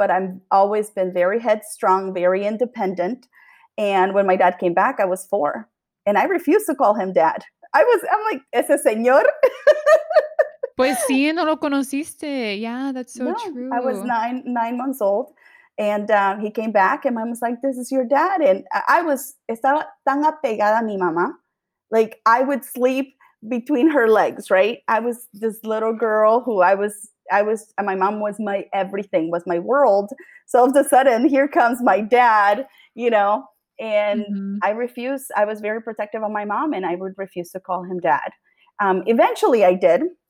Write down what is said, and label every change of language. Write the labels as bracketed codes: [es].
[en] But I've always been very headstrong, very independent. And when my dad came back, I was 4. And I refused to call him dad. I'm like, [es] ese señor. Pues sí, no lo conociste. [en] Yeah, that's so true. I was nine months old. And he came back, and mom was like, this is your dad. And I was, [es] estaba tan apegada a mi mamá. [en] Like, I would sleep between her legs, right? I was this little girl who I was, and my mom was my everything, was my world. So all of a sudden, here comes my dad, you know. And I refused. I was very protective of my mom, and I would refuse to call him dad. Eventually, I did.